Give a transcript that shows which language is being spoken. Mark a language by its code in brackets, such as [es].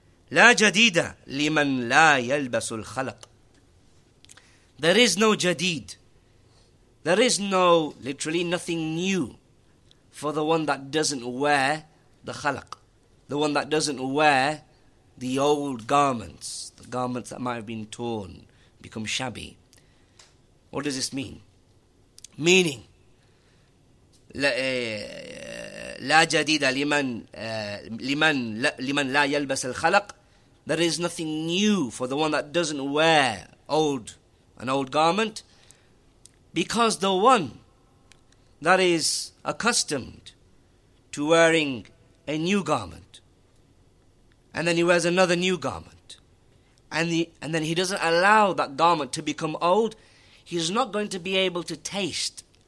[ar] لا جديد لمن لا يلبس الخلق [en] There is no jadid There is no, literally, nothing new for the one that doesn't wear the khalaq, the one that doesn't wear the old garments, the garments that might have been torn, become shabby. What does this mean? Meaning, [ar] لا جديد لمن لا يلبس الخلق. [en] There is nothing new for the one that doesn't wear an old garment, because the one that is accustomed to wearing a new garment, and then he wears another new garment, and then he doesn't allow that garment to become old, he's not going to be able to taste.